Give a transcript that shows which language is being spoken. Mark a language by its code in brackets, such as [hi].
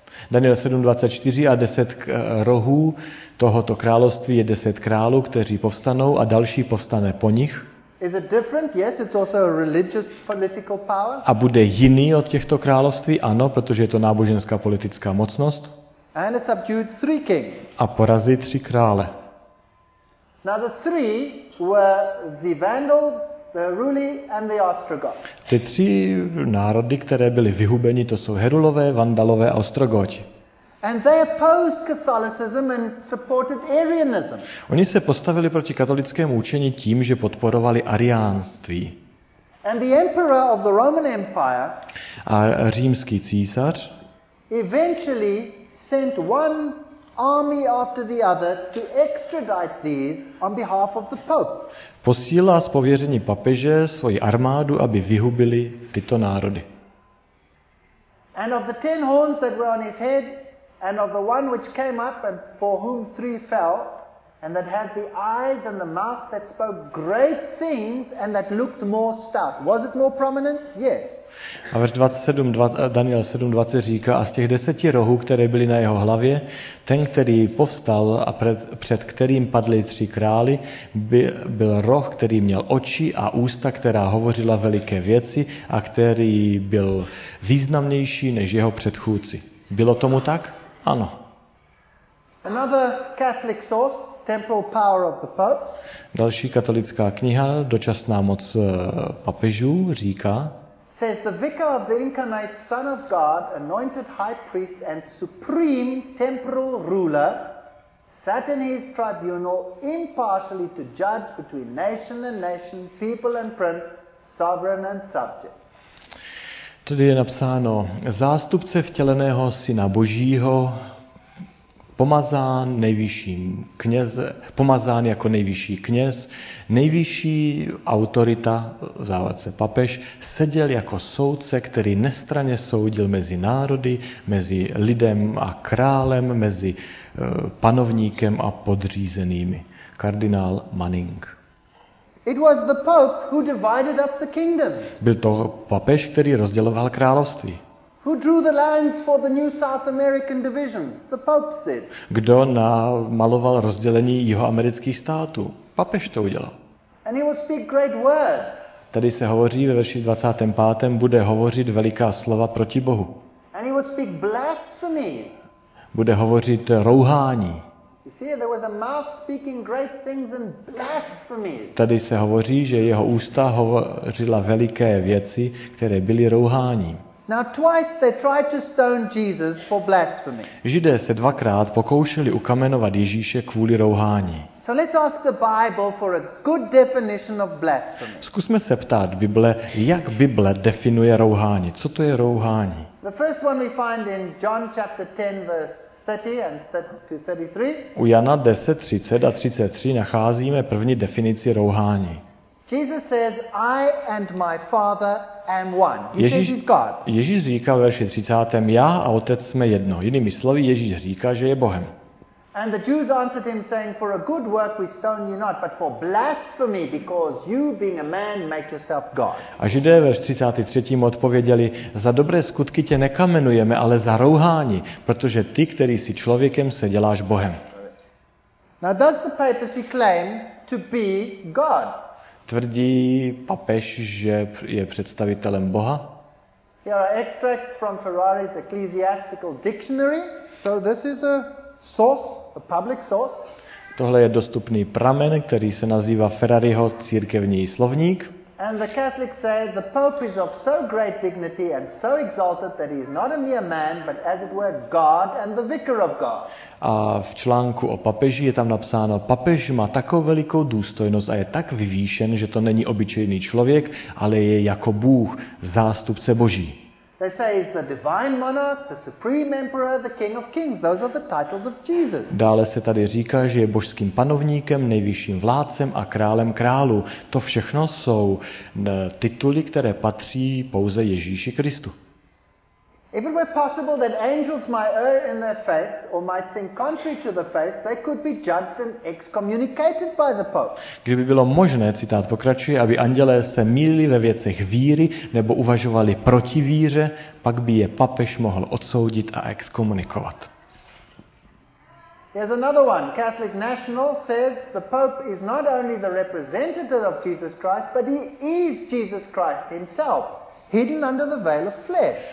[cs] Daniel 7:24 a 10 rohů tohoto království je 10 králů, kteří povstanou a další povstane po nich. [en] Is it different? Yes, it's also a religious political power. [cs] A bude jiný od těchto království? Ano, protože je to náboženská politická mocnost. [en] And it subdued three kings. [cs] A porazí tři krále. [en] Now the three were the Vandals, the Ruli and the Ostrogoths. [cs] Ty tři národy, které byly vyhubeni, to jsou Herulové, Vandalové a Ostrogoti. [en] And they opposed Catholicism and supported Arianism. [cs] Oni se postavili proti katolickému učení tím, že podporovali ariánství. [en] And the emperor of the Roman Empire, [cs] a římský císař, [en] eventually sent one army after the other to extradite these on behalf of the Pope. [cs] Posílá z pověření papeže svoji armádu, aby vyhubili tyto národy. [en] And of the 10 horns that were on his head, and of the one which came up and for whom three fell, and that had the eyes and the mouth that spoke great things and that looked more stout. Was it more prominent? Yes. [cs] A verš 27, Daniel 7:20 říká, a z těch 10 rohů, které byly na jeho hlavě, ten, který povstal a před kterým padly tři krály, byl roh, který měl oči a ústa, která hovořila veliké věci a který byl významnější než jeho předchůdci. Bylo tomu tak? Ano. [en] Another Catholic source, Temporal Power of the Pope. [cs] Další katolická kniha, Dočasná moc papežů, říká, [en] says the vicar of the incarnate Son of God, anointed high priest and supreme temporal ruler, sat in his tribunal impartially to judge between nation and nation, people and prince, sovereign and subject. [cs] Tady je napsáno, zástupce vtěleného Syna Božího, pomazán jako nejvyšší kněz, nejvyšší autorita, závodce papež, seděl jako soudce, který nestranně soudil mezi národy, mezi lidem a králem, mezi panovníkem a podřízenými. Kardinál Manning. [en] It was the Pope who divided up the kingdom. [cs] Byl to papež, který rozděloval království. [en] Who drew the lines for the new South American divisions? The Pope did. [cs] Kdo namaloval rozdělení jihoamerických států? Papež to udělal. [en] And he will speak great words. [cs] Tady se hovoří ve verši 25. bude hovořit veliká slova proti Bohu. [en] And he will speak blasphemy. [cs] Bude hovořit rouhání. [en] You see, there was a mouth speaking great things and blasphemy. [cs] Tady se hovoří, že jeho ústa hovořila veliké věci, které byly rouhání. [en] Now twice they tried to stone Jesus for blasphemy. [cs] Židé se dvakrát pokoušeli ukamenovat Ježíše kvůli rouhání. [en] So let's ask the Bible for a good definition of blasphemy. [cs] Zkusme se ptát Bible, jak Bible definuje rouhání. Co to je rouhání? [en] The first one we find in John chapter 10 verse 30 and 33. [cs] U Jana 10:30 a 33 nacházíme první definici rouhání. [en] Jesus says, I and my Father am one. Ježíš is God. [cs] Ježíš říká ve verši 30. Já a Otec jsme jedno. Jinými slovy, Ježíš říká, že je Bohem. [en] And the Jews answered him saying, for a good work we stone you not, but for blasphemy, because you being a man make yourself God. [cs] A Židé ve verši 33. odpověděli, za dobré skutky tě nekamenujeme, ale za rouhání, protože ty, který jsi člověkem, se děláš Bohem. [en] Now does the papacy claim to be God? [cs] Tvrdí papež, že je představitelem Boha. [en] Here are extracts from Ferrari's Ecclesiastical Dictionary. So this is a source, a public source. [cs] Tohle je dostupný pramen, který se nazývá Ferrariho církevní slovník. [en] And the Catholics say the Pope is of so great dignity and so exalted that he is not a mere man, but as it were God and the vicar of God. [cs] A v článku o papeži je tam napsáno, papež má takovou velikou důstojnost a je tak vyvýšen, že to není obyčejný člověk, ale je jako Bůh, zástupce Boží. [en] They say he's the divine monarch, the supreme emperor, the king of kings. Those are the titles of Jesus. [cs] Dále se tady říká, že je božským panovníkem, nejvyšším vládcem a králem králů. To všechno jsou tituly, které patří pouze Ježíši Kristu. [en] If it were possible that angels might err in their faith or might think contrary to the faith, they could be judged and excommunicated by the Pope. [cs] Kdyby bylo možné, citát pokračuje, aby andělé se mýlili ve věcech víry nebo uvažovali proti víře, pak by je papež mohl odsoudit a exkomunikovat. [en] Here's another one. Catholic National says the Pope is not only the representative of Jesus Christ, but he is Jesus Christ himself, hidden under the veil of flesh.